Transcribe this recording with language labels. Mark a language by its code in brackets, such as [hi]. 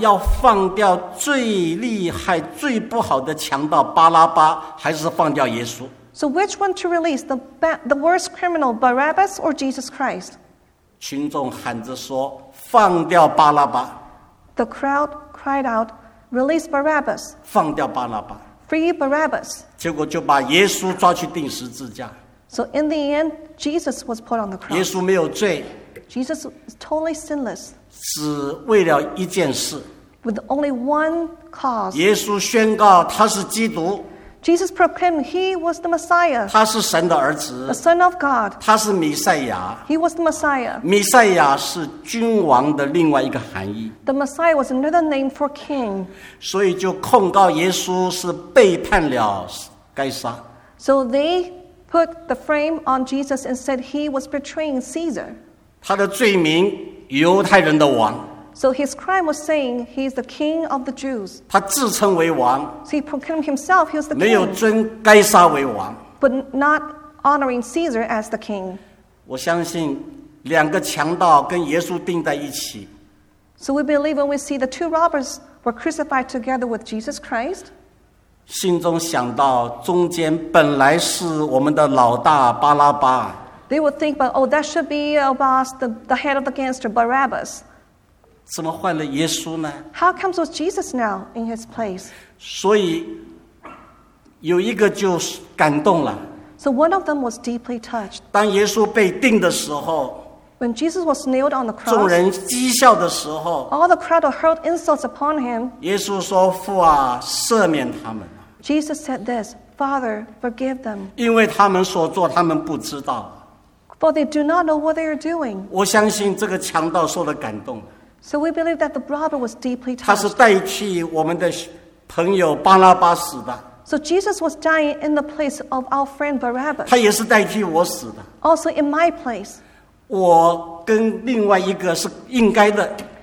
[zh] 要放掉最厉害、最不好的强盗巴拉巴，还是放掉耶稣？ [en] So which one to release, the worst criminal, Barabbas or Jesus Christ? [zh] 群众喊着说，放掉巴拉巴。 [en] The crowd cried out, release Barabbas. [zh] 放掉巴拉巴。 [en] Free Barabbas. [zh] 结果就把耶稣抓去钉十字架。 [en] So in the end, Jesus was put on the cross. [zh] 耶稣没有罪。 [en] Jesus is totally sinless. [zh] 只为了一件事。 [en] With only one cause. [zh] 耶稣宣告他是基督。 [en] Jesus proclaimed he was the Messiah. [zh] 他是神的儿子。 [en] The Son of God. [zh] 他是弥赛亚。 [en] He was the Messiah. [zh] 弥赛亚是君王的另外一个含义。 [en] The Messiah was another name for king. [zh] 所以就控告耶稣是背叛了该杀。 [en] So they put the frame on Jesus and said he was betraying Caesar. [zh] 他的罪名，犹太人的王。 [en] So his crime was saying he is the king of the Jews. [zh] 他自称为王。 [en] So he proclaimed himself he was the king. [zh] 没有尊该杀为王。 [en] But not honoring Caesar as the king. [zh] 我相信两个强盗跟耶稣钉在一起。 [en] So we believe when we see the two robbers were crucified together with Jesus Christ. [zh] 心中想到中间本来是我们的老大巴拉巴。 [en] They would think, about, oh, that should be our boss, the head of the gangster, Barabbas. [zh] 怎么换了耶稣呢？ [en] How comes with Jesus now in his place? [zh] 所以有一个就感动了。 [en] So one of them was deeply touched. [zh] 当耶稣被钉的时候， [en] When Jesus was nailed on the cross, [zh] 众人讥笑的时候， [en] All the crowd hurled insults upon him. [zh] 耶稣说，父啊，赦免他们。 [en] Jesus said this, Father, forgive them. [zh] 因为他们所做，他们不知道。 [en] For they do not know what they are doing. [zh] 我相信这个强盗受了感动。 [en] So we believe that the robber was deeply touched. [zh] 他是代替我们的朋友巴拉巴死的。 [en] So Jesus was dying in the place of our friend Barabbas. [zh] 他也是代替我死的。 [en] Also in my place. [zh] 我跟另外一个是应该的。